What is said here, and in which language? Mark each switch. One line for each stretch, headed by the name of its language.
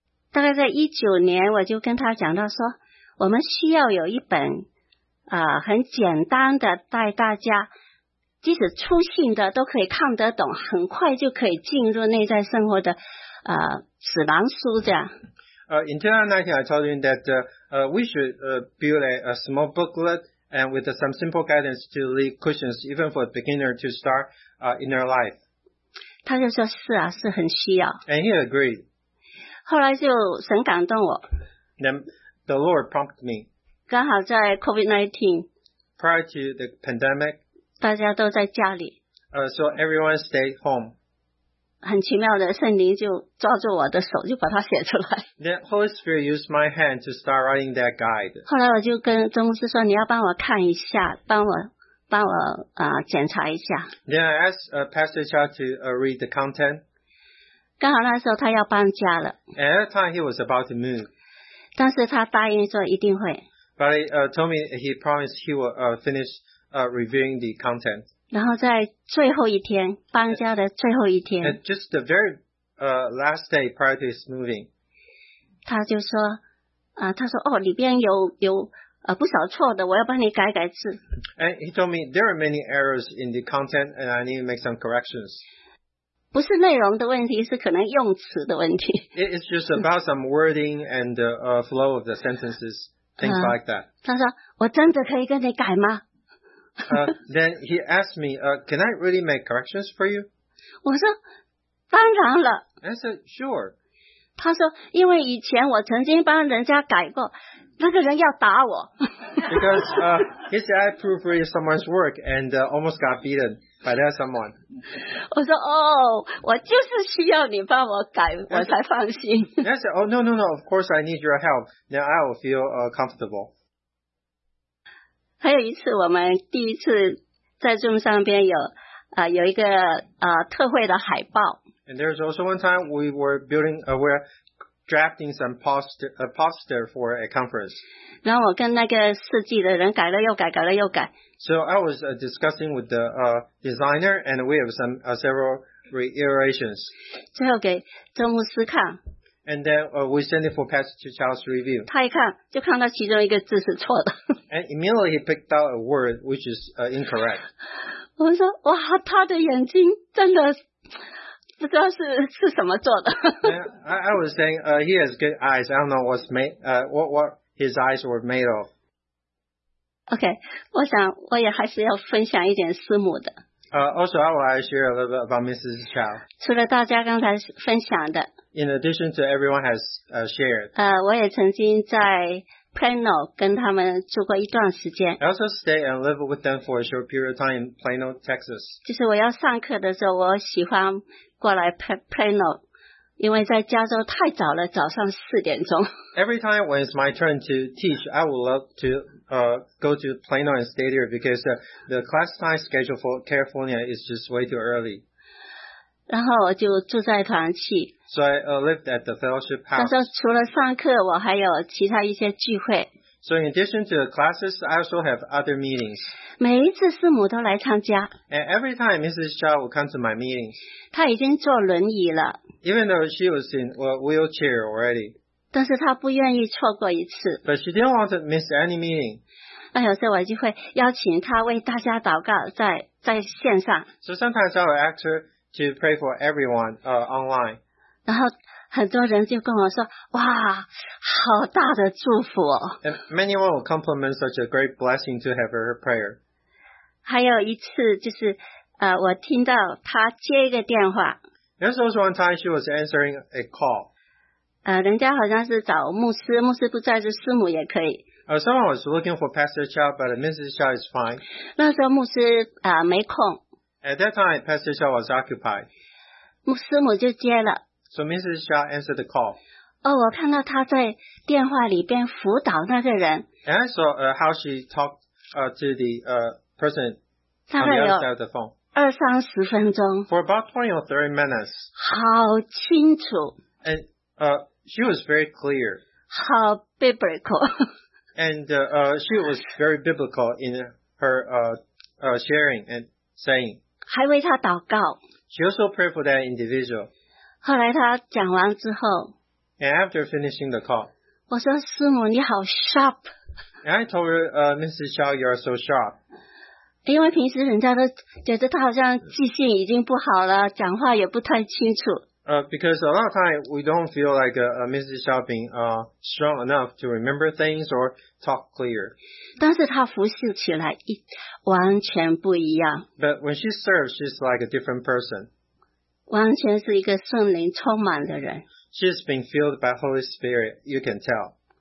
Chinese: 大概在19年，我就跟他讲到说，我们需要有一本很简单的带大家，即使粗信的都可以看得懂，很快就可以进入内在生活的指南书这样。
English: In 2019, I told him that we should build a small booklet and with some simple guidance to lead Christians, even for a beginner to start in their life.
Chinese: 他就说是啊，是很需要。
English: And he agreed.
Chinese: 后来就神感动我。
English: Then the Lord prompted me.
Chinese: 刚好在 COVID-19.
English: Prior to the pandemic.
Chinese: 大家都在家里。
English: So everyone stayed home.
Chinese: 很奇妙的圣灵就抓住我的手就把它写出来
English: The Holy Spirit used my hand to start writing that guide
Chinese: 后来我就跟周牧师说你要帮我看一下帮我帮我检查一下。
English: Then I asked Pastor Cha to read the content.
Chinese: 刚好那时候他要搬家了。
English: At that time he was about to move.
Chinese: 但是他答应说一定会。
English: But he told me he promised he will finish reviewing the content.
Chinese: 然后在最后一天，搬家的最后一天。
English: Just the very last day prior to his moving.
Chinese: 他就说他说哦里边有不少错的，我要帮你改改字。
English: And he told me there are many errors in the content, and I need to make some corrections.
Chinese: 不是内容的问题，是可能用词的问题。
English: It's just about some wording and the flow of the sentences, things like that.
Chinese: 他说，我真的可以跟你改吗？
English: then he asked me, can I really make corrections for you?
Chinese: 我说，当然了。
English: I said, sure.
Chinese: 他说，因为以前我曾经帮人家改过。那个人要打我。
English: Because he said I proofread someone's work and almost got beaten by that someone.
Chinese: 我说哦，我就是需要你帮我改，我才放心。
English: I said, oh no no no, of course I need your help. Now I will feel comfortable.
Chinese: 还有一次，我们第一次在 Zoom 上边有一个特惠的海报。
English: And there's also one time we were building drafting some poster for a conference.
Chinese: 然后我跟那个设计的人改了又改，改了又改。
English: So I was discussing with the designer, and we have some several reiterations.
Chinese: 最后给周牧师看。
English: And then we sent it for Pastor Charles to review.
Chinese: 他一看就看到其中一个字是错的。
English: And immediately he picked out a word which is incorrect.
Chinese: 我们说哇，他的眼睛真的。不知道是什么做的。
English: I was saying, he has good eyes. I don't know what's made, what his eyes were made of.
Chinese: Okay, 我想我也还是要分享一点师母的。
English: Also, I will share a little bit about Mrs. Chow.
Chinese: 除了大家刚才分享的。
English: In addition to everyone has shared.
Chinese: 我也曾经在 Plano 跟他们住过一段时间。
English: I also stayed and lived with them for a short period of time in Plano, Texas.
Chinese: 就是我要上课的时候，我喜欢过来 Plano， 因为在加州太早了，早上四点钟。
English: Every time when it's my turn to teach, I would love to go to Plano and stay there because the class time schedule for California is just way too early.
Chinese: 然后我就住在团契。
English: So I lived at the fellowship house.
Chinese: 他说除了上课，我还有其他一些聚会。
English: So in addition to the classes, I also have other meetings.
Chinese: 每一次师母都来参加。
English: And every time Mrs. Chow will come to my meetings.
Chinese: 她已经坐轮椅了。
English: Even though she was in a wheelchair already.
Chinese: 但是她不愿意错过一次。
English: But she didn't want to miss any meeting.
Chinese: 那有时候我就会邀请她为大家祷告在线上。
English: So sometimes I will ask her to pray for everyone online.
Chinese: 然后很多人就跟我说，哇，好大的祝福哦。
English: And many will compliment such a great blessing to have her prayer.
Chinese: 还有一次就是我听到她接一个电话。
English: There's also one time she was answering a call.
Chinese: 人家好像是找牧师，牧师不在，是师母也可以。
English: Someone was looking for Pastor Chow, but Mrs. Chow is fine.
Chinese: 那时候牧师没空。
English: At that time, Pastor Chow was occupied.
Chinese: 师母就接了。
English: So Mrs. Shaw answered the call.
Chinese: 我看到她在电话里边辅导那个人。
English: And I saw how she talked to the person on the other side of the phone.
Chinese: 二三十分钟。
English: For about 20 or 30 minutes.
Chinese: 好清楚。
English: And she was very clear.
Chinese: 好 biblical.
English: And she was very biblical in her sharing and saying.
Chinese: 还为她祷告。
English: She also prayed for that individual.
Chinese: 后来他讲完之后
English: ，And after finishing the call，
Chinese: 我说师母你好 sharp。
English: And I told her, Mrs. Chow, you are so sharp。
Chinese: 因为平时人家都觉得他好像记性已经不好了，讲话也不太清楚。
English: Because a lot of time we don't feel like Mrs. Chow being strong enough to remember things or talk clear。
Chinese: 但是他服侍起来完全不一样。
English: But when she serves, she's like a different person。
Chinese: 完全是一个圣灵充满的人。
English: She's been filled by Holy Spirit, you can tell.